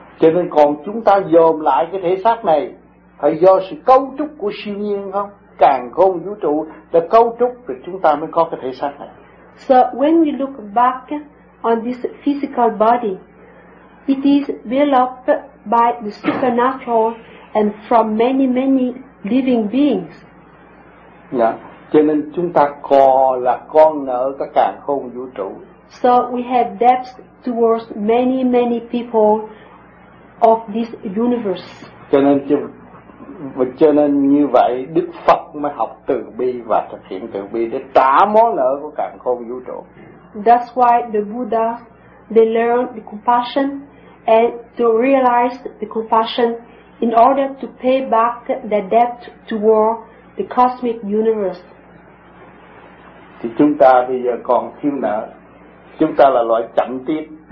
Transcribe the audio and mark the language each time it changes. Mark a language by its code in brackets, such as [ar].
[vi] Cho nên còn chúng ta dồn lại cái thể xác này phải do sự cấu trúc của siêu nhiên không? Càng không vũ trụ đã cấu trúc thì chúng ta mới có cái thể xác này. [en] So when we look back on this physical body, it is developed by the supernatural and from many living beings. [vi] Dạ. Cho nên chúng ta là con nợ các càng không vũ trụ. [en] So we have debts towards many people of this universe. [vi] Cho nên như vậy Đức Phật mới học từ bi và thực hiện từ bi để trả món nợ của càn khôn vũ trụ. [en] That's why the Buddha they learn the compassion and to realize the compassion in order to pay back the debt toward the cosmic universe. [vi] Thì chúng ta bây giờ còn thiếu nợ. Chúng ta là loại chậm tiến.